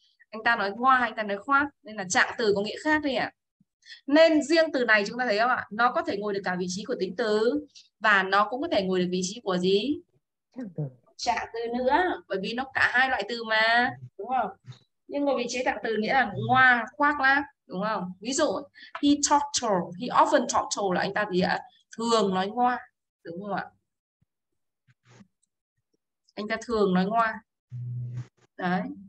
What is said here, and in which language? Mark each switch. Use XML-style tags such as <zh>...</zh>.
<vi>Anh ta nói ngoa, anh ta nói khoác, nên là trạng từ có nghĩa khác đấy ạ. Nên riêng từ này chúng ta thấy không ạ? Nó có thể ngồi được cả vị trí của tính từ, và nó cũng có thể ngồi được vị trí của gì? Trạng từ nữa, bởi vì nó cả hai loại từ mà, đúng không? Nhưng ngồi vị trí trạng từ nghĩa là ngoa, khoác lác, đúng không? Ví dụ</vi> <en>he talk tall, he often talk tall</en> <vi>là anh ta gì ạ? Thường nói ngoa, đúng không ạ? Anh ta thường nói ngoa. Đấy.</vi>